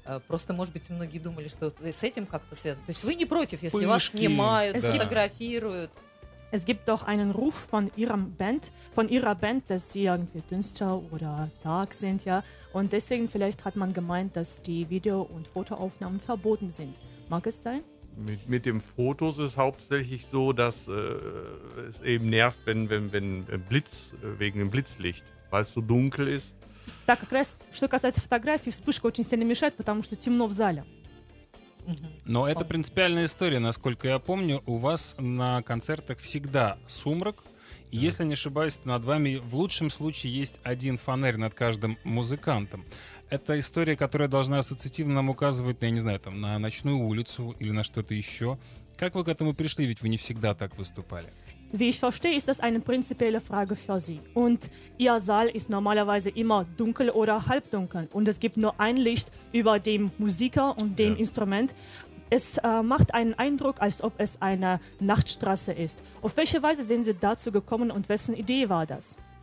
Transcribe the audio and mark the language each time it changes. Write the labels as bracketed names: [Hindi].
[Russian] Просто, может быть, многие думали, что с этим как-то связано. То есть вы не против, если вас снимают, фотографируют? [German] Es gibt doch einen Ruf von ihrem Band, von ihrer Band, dass sie irgendwie düster oder dark sind, ja. Und deswegen vielleicht hat man gemeint, dass die Video- und Fotoaufnahmen verboten sind. Mag es sein? Mit den Fotos ist hauptsächlich so, dass es eben nervt, wenn Blitz, wegen dem Blitzlicht, weil es so dunkel ist. [Russian] Так, как раз, что касается фотографий, вспышка очень сильно мешает, потому что темно в зале. Но это принципиальная история, насколько я помню. У вас на концертах всегда сумрак. И, если не ошибаюсь, то над вами в лучшем случае есть один фонарь над каждым музыкантом. Это история, которая должна ассоциативно нам указывать, я не знаю, там, на ночную улицу или на что-то еще. Как вы к этому пришли? Ведь вы не всегда так выступали. [German] Wie ich verstehe, ist das eine prinzipielle Frage für Sie. Und Ihr Saal ist normalerweise immer dunkel oder halbdunkel. Und es gibt nur ein Licht über dem Musiker und dem Instrument. Es macht einen Eindruck, als ob es eine Nachtstraße ist. Auf welche Weise sind Sie dazu gekommen und wessen Idee war das?